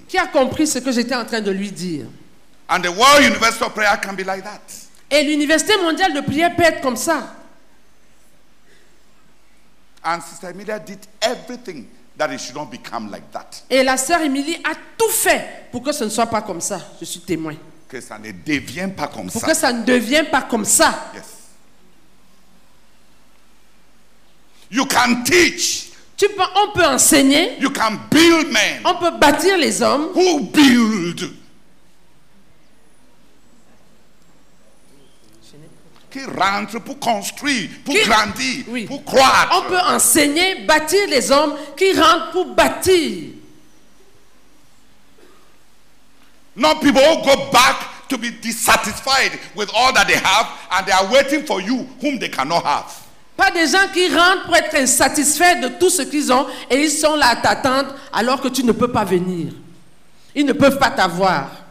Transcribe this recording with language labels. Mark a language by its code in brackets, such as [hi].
[fr] Qui a compris ce que j'étais en train de lui dire? [en] And the World University of Prayer can be like that. [fr] Et l'Université mondiale de prière peut être comme ça. [en] And Sister Emilia did everything that it should not become like that. [fr] Et la sœur Emilie a tout fait pour que ce ne soit pas comme ça. Je suis témoin. Que ça ne devienne pas comme pour ça. Pour que ça ne devienne pas comme ça. [en] Yes. You can teach. [fr] On peut enseigner. [en] You can build men. [fr] On peut bâtir les hommes. [en] Who build? [fr] Qui rentre pour construire, pour grandir, oui, pour croître. On peut enseigner, bâtir les hommes qui rentrent pour bâtir. [en] Not people who go back to be dissatisfied with all that they have and they are waiting for you whom they cannot have. [fr] Pas des gens qui rentrent pour être insatisfaits de tout ce qu'ils ont et ils sont là à t'attendre alors que tu ne peux pas venir. Ils ne peuvent pas t'avoir.